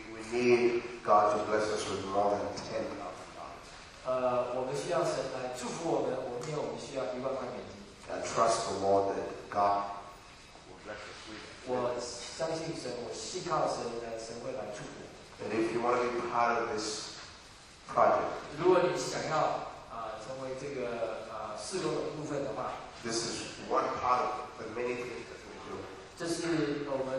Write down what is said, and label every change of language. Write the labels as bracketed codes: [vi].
[en] need God to bless us with more than $10,000. I trust the Lord that God will bless us with it. [zh] 我相信神，我信靠神，神会来祝福。 [en] And if you want to be part of this project, [zh] 如果你想要成为这个事工的部分的话， [en] this is one part of the many things that we do.